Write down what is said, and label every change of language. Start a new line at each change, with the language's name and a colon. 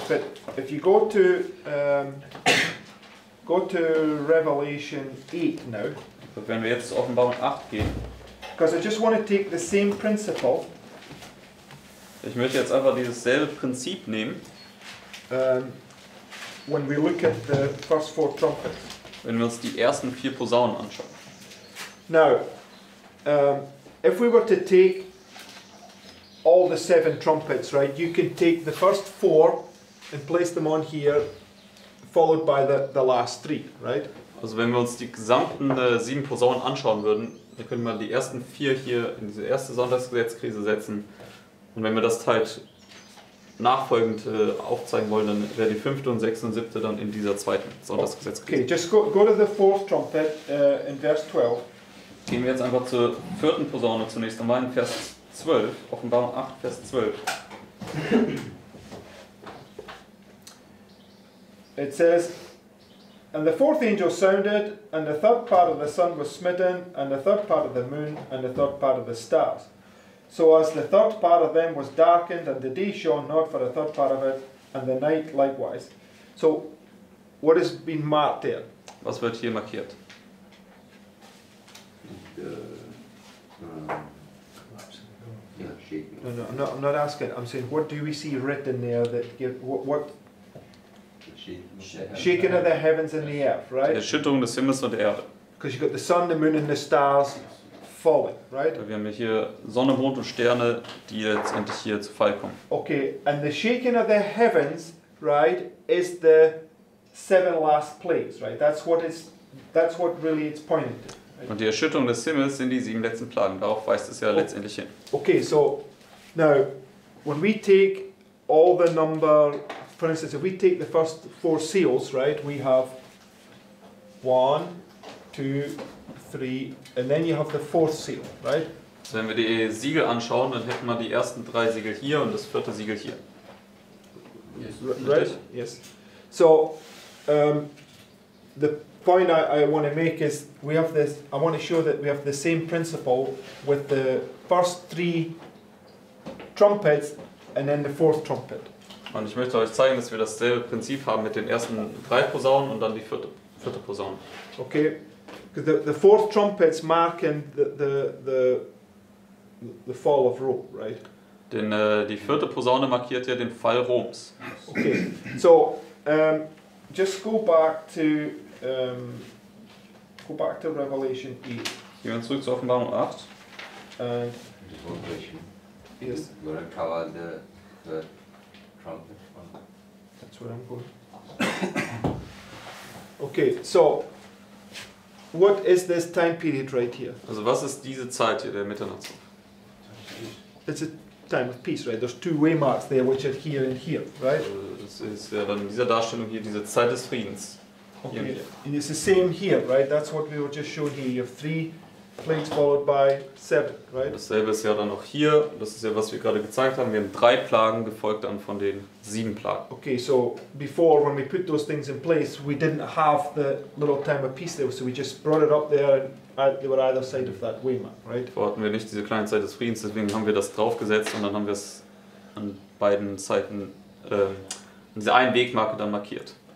English: But if you go to go to Revelation 8 now.
German: But wenn wir jetzt Offenbarung 8 gehen.
English: Because I just want to take the same principle.
German: Ich möchte jetzt einfach dieses selbe Prinzip nehmen.
English: When we look at the first four trumpets.
German: Wenn wir uns die ersten vier Posaunen anschauen.
English: Now, if we were to take all the seven trumpets, right, you can take the first four and place them on here, followed by the last three, right?
German: Also wenn wir uns die gesamten sieben Posaunen anschauen würden, dann könnte man die ersten vier hier in diese erste Sonntagsgesetzkrise setzen. Und wenn wir das halt nachfolgend aufzeigen wollen, dann wäre die fünfte und sechste und siebte dann in dieser zweiten Sonntagsgesetzkrise.
English: Okay, just go to the fourth trumpet in verse 12.
German: Gehen wir jetzt einfach zur vierten Posaune zunächst einmal in Vers 12, Offenbarung 8, Vers 12.
English: It says, and the fourth angel sounded, and the third part of the sun was smitten, and the third part of the moon, and the third part of the stars. So as the third part of them was darkened, and the day shone not for the third part of it, and the night likewise. So, what has been marked there?
German: Was wird hier markiert?
English: I'm not asking. I'm saying, what do we see written there that give what? Shaking of the heavens and the earth, right?
German: Die Erschütterung des Himmels und der Erde.
English: Because you've got the sun, the moon, and the stars falling, right?
German: Wir haben hier Sonne, Mond und Sterne, die letztendlich hier zu Fall kommen.
English: Okay, and the shaking of the heavens right, is the seven last plagues, right? That's what really it's pointing to. Right?
German: Und die Erschütterung des Himmels sind die sieben letzten Plagen. Darauf weist es ja letztendlich hin.
English: Okay, so now when we take all the number, for instance, if we take the first four seals, right, we have one, two, three, and then you have the fourth seal, right?
German: So wenn wir die Siegel anschauen, dann hätten wir die ersten drei Siegel hier und das vierte Siegel hier.
English: Right? Yes. So the point I want to make is we have this, I want to show that we have the same principle with the first three trumpets and then the fourth trumpet.
German: Und ich möchte euch zeigen, dass wir dasselbe Prinzip haben mit den ersten drei Posaunen und dann die vierte Posaune.
English: Okay. Because the fourth trumpet's marking the fall of Rome, right?
German: Denn die vierte Posaune markiert ja den Fall Roms.
English: Okay, so just go back to Revelation 8.
German: Gehen wir zurück zu Offenbarung 8.
English: And yes. You're gonna cover the trumpet. That's where I'm going. Okay, so what is this time period right here?
German: Also was ist diese Zeit hier, der Mitternachtsruf?
English: It's a time of peace, right? There's two waymarks there, which are here and here, right?
German: Das ist ja dann in dieser Darstellung hier diese Zeit des Friedens.
English: Okay.
German: Hier und hier.
English: And it's the same here, right? That's what we were just showing here. You have three plagues followed by seven, right?
German: Dasselbe ist ja dann auch hier. Das ist ja was wir gerade gezeigt haben. Wir haben drei Plagen gefolgt dann von den sieben Plagen.
English: Okay, so before when we put those things in place, we didn't have the little time of peace there, so we just brought it up there. They were either side of that waymark, right?
German: Vorher hatten wir nicht diese kleine Zeit des Friedens, deswegen haben wir das draufgesetzt und dann haben wir es an beiden Seiten, an dieser einen Wegmarke dann markiert.